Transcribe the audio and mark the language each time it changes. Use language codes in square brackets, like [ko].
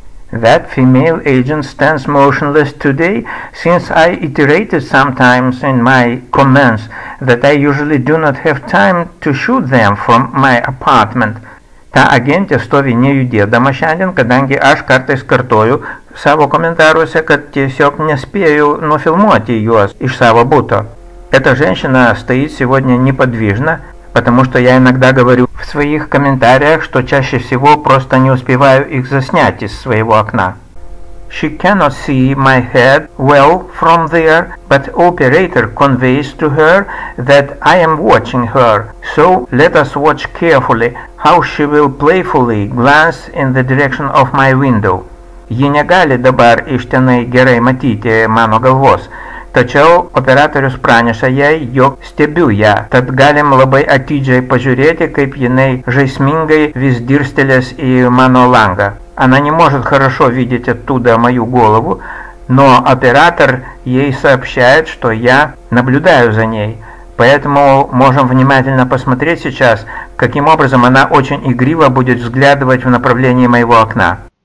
[en] That female agent stands motionless today since I iterated sometimes in my comments that I usually do not have time to shoot them from my apartment. [lt] Та агентė stovi nejudėdama šiandien, kadangi aš kartais kartoju savo komentaruose, kad tiesiog nespėju nufilmuoti juos iš savo buto. [ru] Эта женщина стоит сегодня неподвижно, потому что я иногда говорю в своих комментариях, что чаще всего просто не успеваю их заснять из своего окна. [en] She cannot see my head well from there, but operator conveys to her that I am watching her. So let us watch carefully how she will playfully glance in the direction of my window. [lt] Ji negali dabar iš tenai gerai matyti mano galvos. Tačiau operatorius praneša jai, jog stebiu ją, tad galim labai atidžiai pažiūrėti, kaip jinai žaismingai vis dirstelės į mano langą. [ru] Она не может хорошо видеть оттуда мою голову, но оператор ей сообщает, что я наблюдаю за ней. Поэтому можем внимательно посмотреть сейчас, каким образом она очень игриво будет взглядывать в направлении моего окна.